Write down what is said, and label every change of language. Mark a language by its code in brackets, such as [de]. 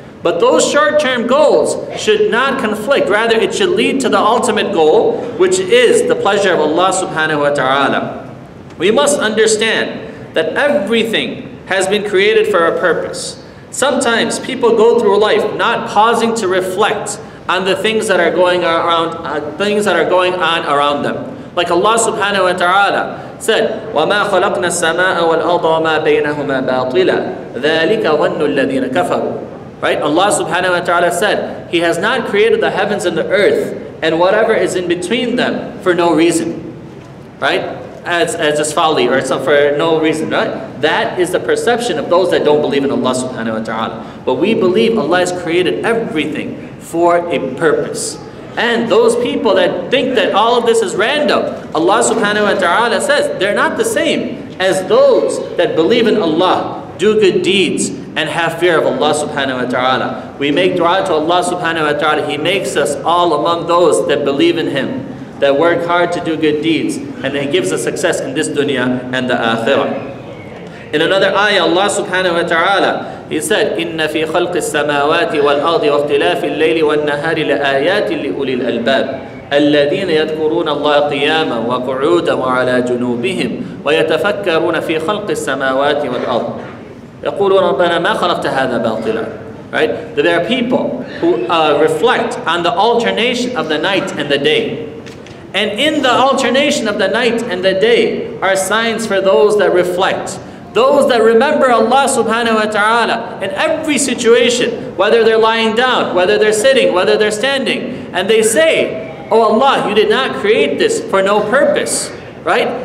[en] But those short-term goals should not conflict. Rather, it should lead to the ultimate goal, which is the pleasure of Allah subhanahu wa ta'ala. We must understand that everything has been created for a purpose. Sometimes people go through life not pausing to reflect on the things that are going around, things that are going on around them. [ar] Like Allah subhanahu wa ta'ala said, وَمَا خَلَقْنَا السَّمَاءَ وَالْأَرْضَ وَمَا بَيْنَهُمَا بَاطِلًا ذَلِكَ ظَنُّ الَّذِينَ كَفَرُوا. [en] Right? Allah subhanahu wa ta'ala said, He has not created the heavens and the earth and whatever is in between them for no reason. Right? As just folly or some for no reason, right? That is the perception of those that don't believe in Allah subhanahu wa ta'ala. But we believe Allah has created everything for a purpose. And those people that think that all of this is random, Allah subhanahu wa ta'ala says, they're not the same as those that believe in Allah, do good deeds, and have fear of Allah subhanahu wa ta'ala. We make dua to Allah subhanahu wa ta'ala. He makes us all among those that believe in Him, that work hard to do good deeds, and He gives us success in this dunya and the akhirah. [ar] In another ayah, Allah subhanahu wa ta'ala, He said, إِنَّ فِي خَلْقِ السَّمَاوَاتِ وَالْأَرْضِ وَاخْتِلَافِ اللَّيْلِ وَالنَّهَارِ لَآيَاتٍ لِأُولِي الْأَلْبَابِ الَّذِينَ يَذْكُرُونَ اللَّهَ قِيَامًا وَقُعُودًا وَعَلَى جُنُوبِهِمْ وَيَتَفَكَّرُونَ فِي خَلْقِ السَّمَاوَاتِ وَالْأَرْضِ يَقُولُونَ رَبَّنَا مَا خَلَقْتَ هَذَا بَاطِلًا. [en] Right? There are people who reflect on the alternation of the night and the day. And in the alternation of the night and the day are signs for those that reflect. Those that remember Allah subhanahu wa ta'ala in every situation, whether they're lying down, whether they're sitting, whether they're standing, and they say, Oh Allah, you did not create this for no purpose, right?